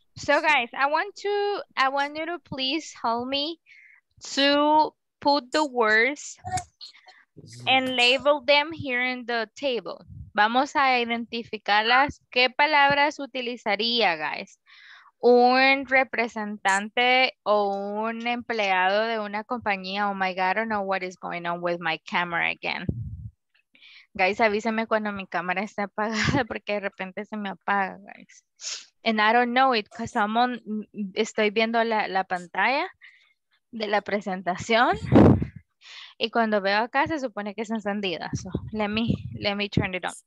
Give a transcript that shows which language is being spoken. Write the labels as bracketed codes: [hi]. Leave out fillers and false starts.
[en] So guys, I want you to please help me to put the words and label them here in the table. [es] Vamos a identificarlas. ¿Qué palabras utilizaría, guys? Un representante o un empleado de una compañía. [en] Oh my God, I don't know what is going on with my camera again. [es] Guys, avísenme cuando mi cámara está apagada porque de repente se me apaga, guys. [en] And I don't know it because [es] estoy viendo la pantalla de la presentación. Y cuando veo acá se supone que es encendida. [en] So let me turn it on.